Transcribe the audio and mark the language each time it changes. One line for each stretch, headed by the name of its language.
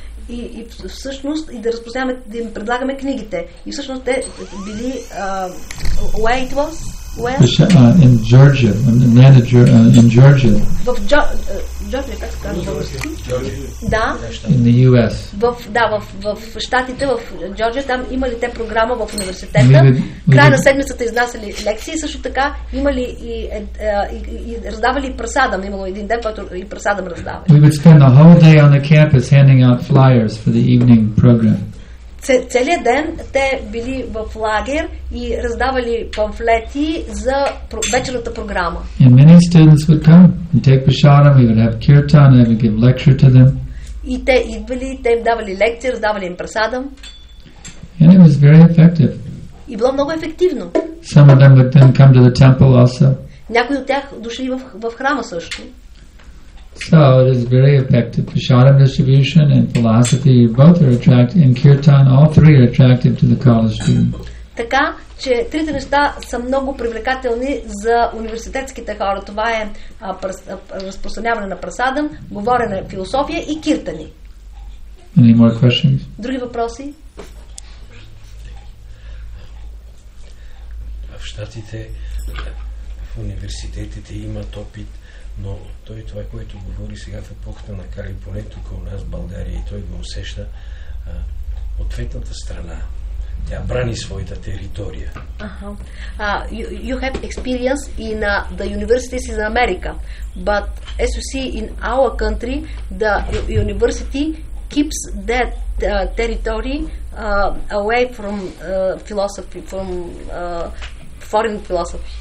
Bulgarian: И всъщност и да разпознаваме да им предлагаме книгите. И всъщност те били
English: where it was? Where? In Georgia. In Georgia.
Bulgarian: В Джорджия, как се казва? Да.
English: In the US.
Bulgarian: В щатите, в Джорджия, там имали те програма в университета. Края на седмицата изнасяли лекции, също така имали и раздавали прасадам. Имало един ден, който и прасадам раздавали.
English: We would spend the whole day on the campus handing out flyers for the evening program.
Bulgarian: Целият ден те били в лагер и раздавали памфлети за вечерната програма.
English: And many students would come and take Bishadam, we would have kirtan, and we'd give lecture to them.
Bulgarian: И те идвали, те им давали лекции, раздавали им прасадам.
English: And it was very effective.
Bulgarian: И било много ефективно.
English: Some of them would then come to the temple also.
Bulgarian: Някои от тях дошли в храма също.
English: So it is very effective. Prasadam distribution and philosophy both are attractive, and kirtan, all three are attractive to the college student.
Bulgarian: Така, че трите неща са много привлекателни за университетските хора. Това е разпространяване на прасадам, говорене философия и киртани.
English: Any more questions?
Bulgarian: Други въпроси? В щатите, в университетите имат опит, но той това, което говори сега в епохата на Кали, поне тук у нас в България, и той го усеща, ответната страна, тя брани своята територия. Ага.
English: You have experience in the universities in America, but as you see in our country, the university keeps that territory away from philosophy, from foreign philosophy.